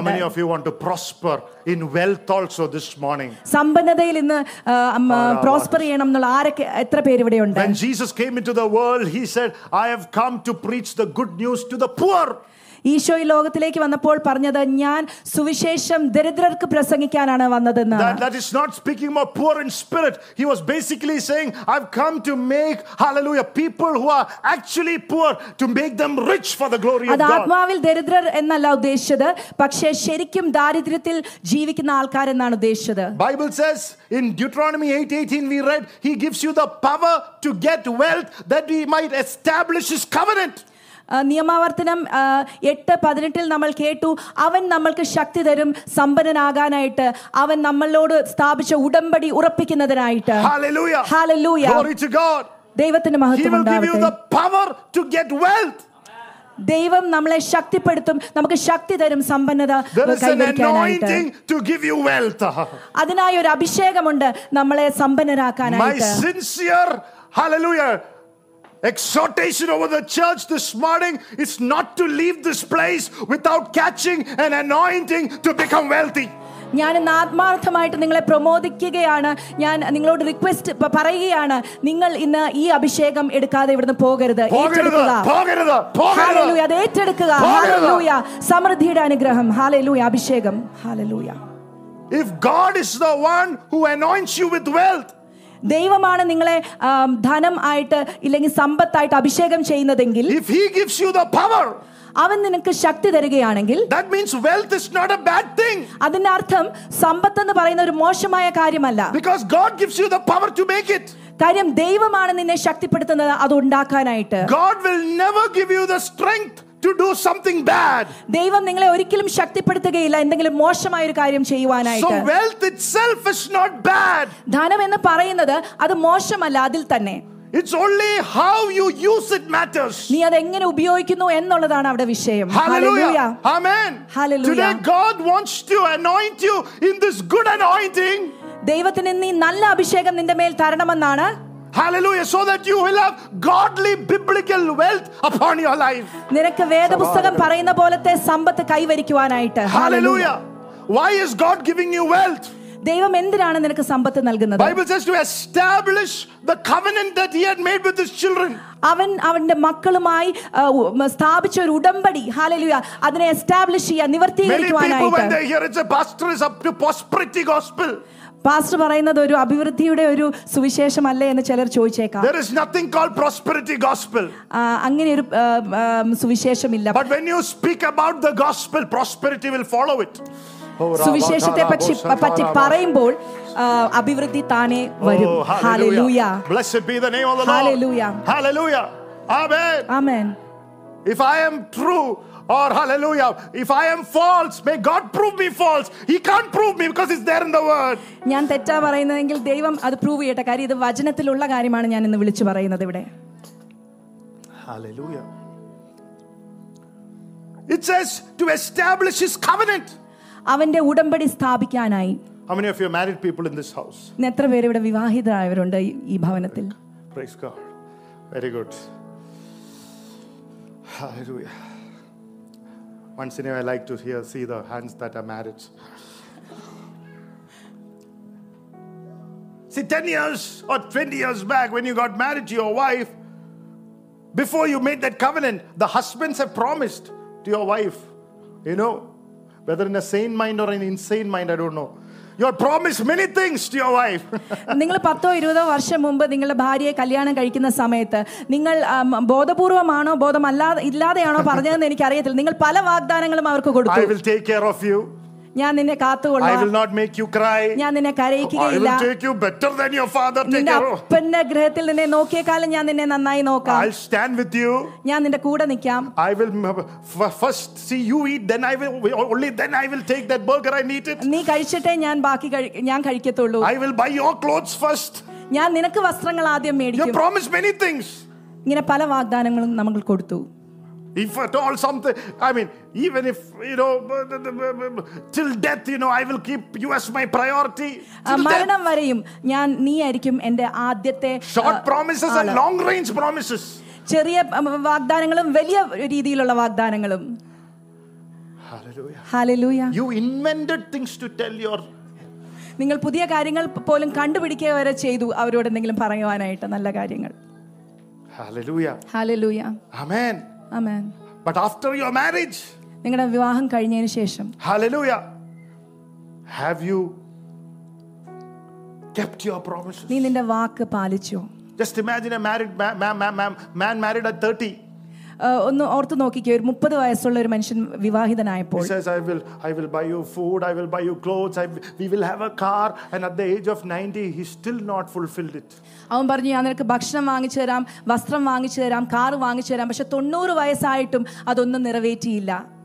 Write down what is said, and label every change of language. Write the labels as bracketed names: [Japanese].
[English] How many of you want to prosper in wealth also this morning? [Malayalam] സമ്പന്നതയിൽ ഇന്ന് prosper ചെയ്യണം എന്നുള്ള ആരൊക്കെ എത്ര പേര് ഇവിടെ ഉണ്ട്? [English] When Jesus came into the world, he said, I have come to preach the good news to the poor. [Malayalam] Isho ഈ ലോകത്തിലേക്ക് വന്നപ്പോൾ പറഞ്ഞത്, ഞാൻ സുവിശേഷം ദരിദ്രർക്ക് പ്രസംഗിക്കാനാണ് വന്നതെന്ന്. [English] That is not speaking about poor in spirit. He was basically saying, I've come to make, hallelujah, people who are actually poor, to make them rich for the glory of God. [Malayalam] ആത്മാവിൽ ദരിദ്രർ എന്നല്ല ഉദ്ദേശിച്ചത്, പക്ഷേ ശരിക്കും ദാരിദ്ര്യത്തിൽ ജീവിക്കുന്ന ആൾക്കാർ എന്നാണ് ഉദ്ദേശിച്ചത്. [English] Bible says in Deuteronomy 8:18 we read, he gives you the power to get wealth that he might establish his covenant. [Malayalam] നിയമാവർത്തനം 8:18 നമ്മൾ കേട്ടു, അവൻ നമ്മൾക്ക് ശക്തി തരും സമ്പന്നനാകാനായിട്ട്, അവൻ നമ്മളോട് സ്ഥാപിച്ച ഉടമ്പടി ഉറപ്പിക്കുന്നതിനായിട്ട്. [English] Hallelujah. Hallelujah. Glory to God. [Malayalam] ദൈവത്തിന്റെ മഹത്വം ഉണ്ടാവട്ടെ. [English] He will give you the power to get wealth. [Malayalam] ദൈവം നമ്മളെ ശക്തിപ്പെടുത്തും, നമുക്ക് ശക്തി തരും, സമ്പന്നത കൈവരിക്കാനായിട്ട്. അതിനായി ഒരു അഭിഷേകമുണ്ട് നമ്മളെ സമ്പന്നരാക്കാനായിട്ട്. [English] My sincere hallelujah exhortation over the church this morning is not to leave this place without catching an anointing to become wealthy. [Malayalam] ഞാൻ ആത്മാർത്ഥമായിട്ട് നിങ്ങളെ പ്രമോദിക്കുകയാണ്. ഞാൻ നിങ്ങളോട് റിക്വസ്റ്റ് പറയുകയാണ്, നിങ്ങൾ ഇന്ന് ഈ അഭിഷേകം എടുക്കാതെ ഇവിടുന്ന് പോകരുത്. അത് ഏറ്റെടുക്കുക. സമൃദ്ധിയുടെ അനുഗ്രഹം. ഹാലലൂയ. അഭിഷേകം. Hallelujah. [English] If God is the one who anoints you with wealth, [Malayalam] ദൈവമാണ് നിങ്ങളെ ധനം ആയിട്ട് ഇല്ലെങ്കിൽ സമ്പത്തായിട്ട് അഭിഷേകം ചെയ്യുന്നതെങ്കിൽ, [English] If he gives you the power, [Malayalam] അവൻ നിനക്ക് ശക്തി തരികയാണെങ്കിൽ, [English] that means wealth is not a bad thing. [Malayalam] അതിനർത്ഥം സമ്പത്ത് എന്ന് പറയുന്ന ഒരു മോശമായ കാര്യമല്ല. [English] Because God gives you the power to make it. [Malayalam] കാര്യം ദൈവമാണ് നിന്നെ ശക്തിപ്പെടുത്തുന്നത് അതുണ്ടാക്കാനായിട്ട്. [English] God will never give you the strength to do something bad. [Malayalam] ദൈവം നിങ്ങളെ ഒരിക്കലും ശക്തിപ്പെടുത്തുകയില്ല എന്തെങ്കിലും മോശമായ ഒരു കാര്യം ചെയ്യുവാനായിട്ട്. [English] So wealth itself is not bad. [Malayalam] ധനം എന്ന് പറയുന്നത് അത് മോശമല്ല, അതിൽ തന്നെ. [English] It's only how you use it matters. [Malayalam] നീ അത് എങ്ങനെ ഉപയോഗിക്കുന്നു എന്നുള്ളതാണ് അവിടെ വിഷയം. [English] Hallelujah. Amen. Hallelujah. Today God wants to anoint you in this good anointing. [Malayalam] ദൈവത്തിനെ നീ നല്ല അഭിഷേകം നിന്റെ മേൽ തരണമെന്നാണ്. [English] Hallelujah. So that you will have godly biblical wealth upon your life. [Malayalam] നിനക്ക് വേദപുസ്തകം പറയുന്ന പോലത്തെ സമ്പത്ത് കൈവരിക്കുവാനായിട്ട്. [English] Hallelujah. Why is God giving you wealth? [Malayalam] ദൈവം എന്തിനാണ് നിനക്ക് സമ്പത്ത് നൽകുന്നത്? [English] Bible says to establish the covenant that he had made with his children. [Malayalam] അവൻ അവന്റെ മക്കളുമായി സ്ഥാപിച്ച ഒരു ഉടമ്പടി, ഹല്ലേലൂയ, അതിനെ എസ്റ്റാബ്ലിഷ് ചെയ്യാൻ, നിവർത്തീകരിക്കുവാനായിട്ട്. പാസ്റ്റർ പറയുന്നത് ഒരു അഭിവൃദ്ധിയുടെ ഒരു സുവിശേഷം അല്ലേ എന്ന് ചിലർ ചോദിച്ചേക്കാം. [English] There is nothing called prosperity gospel. [Malayalam] അങ്ങനെ ഒരു സുവിശേഷം ഇല്ല. [English] But when you speak about the gospel, prosperity will follow it. [Malayalam] സുവിശേഷത്തെ പറ്റി പറയുമ്പോൾ അഭിവൃദ്ധി താനെ വരും. [English] Hallelujah. Blessed be the name of the Lord. Hallelujah. Hallelujah. Amen. Amen. If I am true or hallelujah, if I am false, may God prove me false. He can't prove me because it's there in the word. [Malayalam] ഞാൻ തെറ്റാ പറയുന്നതെങ്കിൽ ദൈവം അത് prove ചെയ്യട്ടെ. കാര്യം ഇത് വചനത്തിലുള്ള കാര്യമാണ് ഞാൻ ഇന്ന് വിളിച്ചു പറയുന്നത് ഇവിടെ. [English] Hallelujah. It says to establish his covenant. [Malayalam] അവന്റെ ഉടമ്പടി സ്ഥാപിക്കാനായി. [English] How many of you are married people in this house? [Malayalam] എത്ര പേര് ഇവിടെ വിവാഹിതരായവരുണ്ട് ഈ ഭവനത്തിൽ? [English] Praise God. Very good. Hallelujah. Once in a while I like to hear see the hands that are married. See, 10 years or 20 years back when you got married to your wife, before you made that covenant, the husbands have promised to your wife, you know, whether in a sane mind or an insane mind, I don't know, you have promised many things to your wife. [Malayalam] നിങ്ങൾ 10ഓ 20ഓ വർഷം മുമ്പ് നിങ്ങളുടെ ഭാര്യയെ കല്യാണം കഴിക്കുന്ന സമയത്ത് നിങ്ങൾ ബോധപൂർവമാണോ ബോധമല്ലാതെ ഇല്ലാതെയാണോ പറഞ്ഞതെന്ന് എനിക്ക് അറിയത്തില്ല. നിങ്ങൾ പല വാഗ്ദാനങ്ങളും അവർക്ക് കൊടുത്തു. [English] I will take care of you. [Malayalam] ഞാൻ നിന്നെ കാത്തുകൊള്ളാം. [English] I will not make you cry. [Malayalam] ഞാൻ നിന്നെ കരയിക്കുകയില്ല. [English] I will take you better than your father take care of. [Malayalam] പിന്നെ ഗ്രഹത്തിൽ നിന്നെ നോക്കിയേക്കാളും ഞാൻ നിന്നെ നന്നായി നോക്കാം. [English] I'll stand with you. [Malayalam] ഞാൻ നിന്റെ കൂടെ നിൽക്കാം. [English] I will first see you eat, then I will only then I will take that burger and eat it. [Malayalam] നീ കഴിച്ചിട്ടേ ഞാൻ ബാക്കി ഞാൻ കഴിക്കത്തുള്ളൂ. [English] I will buy your clothes first. [Malayalam] ഞാൻ നിനക്ക് വസ്ത്രങ്ങൾ ആദ്യം മേടിക്കും. [English] You promised many things. [Malayalam] ഇങ്ങനെ പല വാഗ്ദാനങ്ങളും നമ്മൾ കൊടുത്തു. [English] If at all something, I mean, even if, you know, till death, you know, I will keep you as my priority. [Malayalam] മരണം വരെയും ഞാൻ നീ ആയിരിക്കും എന്റെ ആദ്യത്തെ. [English] Short promises and long range promises. [Malayalam] ചെറിയ വാഗ്ദാനങ്ങളും വലിയ രീതിയിലുള്ള വാഗ്ദാനങ്ങളും. [English] Hallelujah. Hallelujah. You invented things to tell your. [Malayalam] നിങ്ങൾ പുതിയ കാര്യങ്ങൾ പോലും കണ്ടുപിടിക്കുക വരെ ചെയ്തു അവരോട് എന്തെങ്കിലും പറയുവാനായിട്ട് നല്ല കാര്യങ്ങൾ. [English] Hallelujah. Hallelujah. Amen. Amen. But after your marriage, [Malayalam] നിങ്ങളുടെ വിവാഹം കഴിഞ്ഞതിനു ശേഷം, [English] Hallelujah, have you kept your promises? [Malayalam] നീ നിന്റെ വാക്ക് പാലിച്ചോ? [English] Just imagine a married man married at 30. [Malayalam] ഒന്ന് ഓർത്തു നോക്കിക്കേ, ഒരു 30 വയസ്സുള്ള ഒരു മനുഷ്യൻ വിവാഹിതനായപ്പോൾ, [English] he says I will buy you food, I will buy you clothes, we will have a car, and at the age of 90 he still not fulfilled it. [Malayalam] അവൻ പറഞ്ഞു, ഞാൻ നിനക്ക് ഭക്ഷണം വാങ്ങിച്ചു തരാം, വസ്ത്രം വാങ്ങിച്ചു തരാം, കാർ വാങ്ങിച്ചു തരാം, പക്ഷെ 90 വയസ്സായിട്ടും അതൊന്നും നിറവേറ്റിയില്ല.